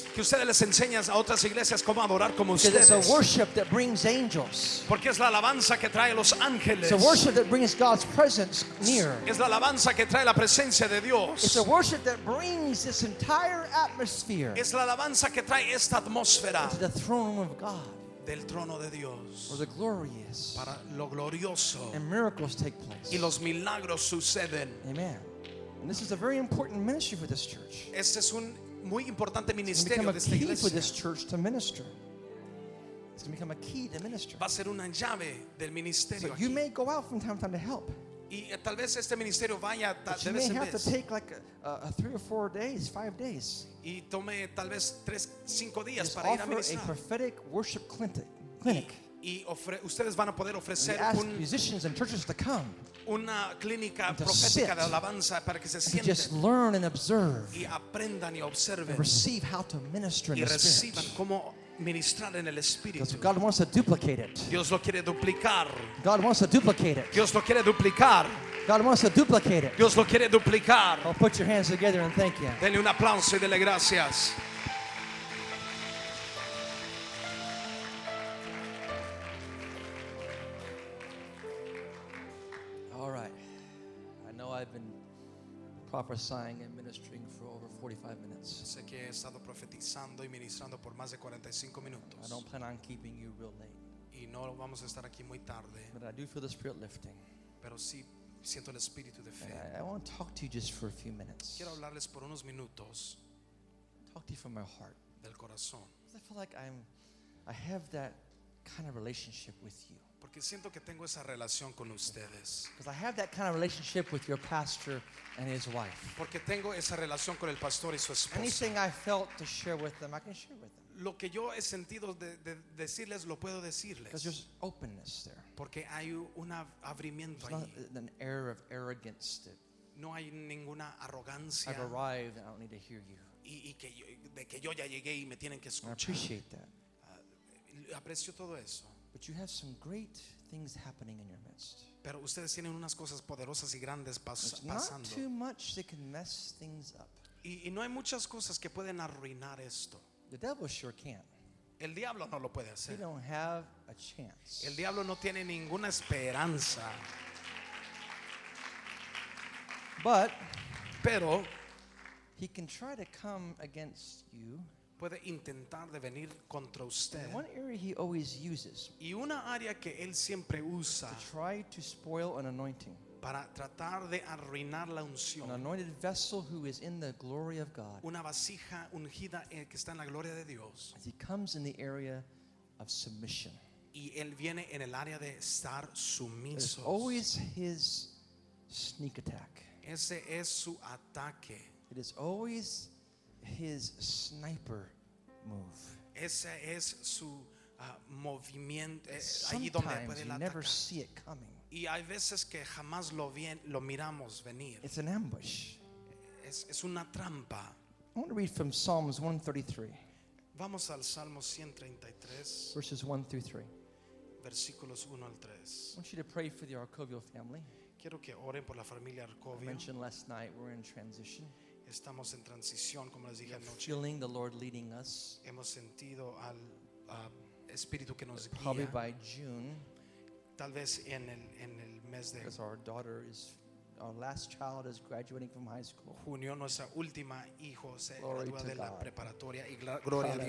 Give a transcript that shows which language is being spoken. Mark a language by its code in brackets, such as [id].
[es] Que ustedes les enseñen a otras iglesias cómo adorar como [en] because [es] ustedes. [en] It's a worship that brings angels. [es] Porque es la alabanza que trae los ángeles. [en] It's a worship that brings God's presence near. [es] Es la alabanza que trae la presencia de Dios. [en] It's a worship that brings this entire atmosphere. [es] Es la alabanza que trae esta atmósfera. [en] To the throne room of God. [es] Del trono de Dios. [en] For the glorious. [es] Para lo glorioso. [en] And miracles take place. [es] Y los milagros suceden. [en] Amen. And this is a very important ministry for this church. [es] Este es un muy importante ministerio de esta iglesia. [en] For this church to minister. It's going to become a key to minister. [es] Va a ser una llave del ministerio. [en] So you may go out from time to time to help. [es] Y tal vez este ministerio vaya de vez en vez. [en] You may have to take like a 3 or 4 days, 5 days. [es] Y tome tal vez 3-5 días para ir a ministrar. [en] Offer a prophetic worship clinic. [es] Y ustedes van a poder ofrecer un [en] musicians and churches to come. [es] Una clínica profética de alabanza para que se sienten. [en] Just learn and observe. [es] Y aprendan y observen. [en] And receive how to minister in the spirit. [es] Y reciban cómo ministrar en el espíritu. [en] Because God wants to duplicate it. [es] Dios lo quiere duplicar. [en] God wants to duplicate it. [es] Dios lo quiere duplicar. [en] God wants to duplicate it. [es] Dios lo quiere duplicar. [en] I'll put your hands together and thank you. [es] Denle un aplauso y dele gracias. [en] All right. I know I've been prophesying and ministering for over 45 minutes. [es] Sé que he estado profetizando y ministrando por más de 45 minutos. [en] I don't plan on keeping you real late. [es] Y no vamos a estar aquí muy tarde. [en] But I do feel the spirit lifting. [es] Pero sí siento el espíritu de fe. [en] I want to talk to you just for a few minutes. [es] Quiero hablarles por unos minutos. [en] Talk to you from my heart. [es] Del corazón. [en] I feel like I have that kind of relationship with you. [es] Porque siento que tengo esa relación con ustedes. [en] Because I have that kind of relationship with your pastor and his wife. [es] Porque tengo esa relación con el pastor y su esposa. [en] Anything I felt to share with them, I can share with them. [es] Lo que yo he sentido de decirles, lo puedo decirles. [en] Because there's openness there. [es] Porque hay un abrimiento ahí. [en] There's not an air of arrogance that [es] no hay ninguna arrogancia. [en] I've arrived and I don't need to hear you. [es] Y que yo, de que yo ya llegué y me tienen que escuchar. [en] I appreciate that. [es] Aprecio todo eso. [en] But you have some great things happening in your midst. [es] Pero ustedes tienen unas cosas poderosas y grandes pasando. [en] It's not too much that can mess things up. [es] Y no hay muchas cosas que pueden arruinar esto. [en] The devil sure can't. [es] El diablo no lo puede hacer. [en] He don't have a chance. [es] El diablo no tiene ninguna esperanza. [en] But, [es] pero, [en] he can try to come against you. [es] Puede intentar de venir contra usted. [en] And one area he always uses. [es] Y una área que él siempre usa. [en] To try to spoil an anointing. [es] Para tratar de arruinar la unción. [en] An anointed vessel who is in the glory of God. [es] Una vasija ungida que está en la gloria de Dios. [en] As he comes in the area of submission. [es] Y él viene en el área de estar sumisos. [en] It's always his sneak attack. [es] Ese es su ataque. [en] It is always his sniper move. [es] Ese es su movimiento allí donde puede atacar. [en] You never see it coming. [es] Y hay veces que jamás lo miramos venir. [en] It's an ambush. [es] Es una trampa. [en] I want to read from Psalms 133. [es] Vamos al Salmo 133. [en] Verses 1 through 3. [es] Versículos 1 al 3. [en] I want you to pray for the Arcovio family. [es] Quiero que oren por la familia Arcovio. [en] I mentioned last night we're in transition. [es] Estamos en transición, como les dije anoche. [en] Feeling the Lord leading us. [es] Hemos sentido al Espíritu que nos guía. [en] Probably by June. [es] Tal vez en el mes de. [en] Because our daughter is, our last child is graduating from high school. [es] Junio, nuestra última hijo se gradúa de la preparatoria y gloria a Dios.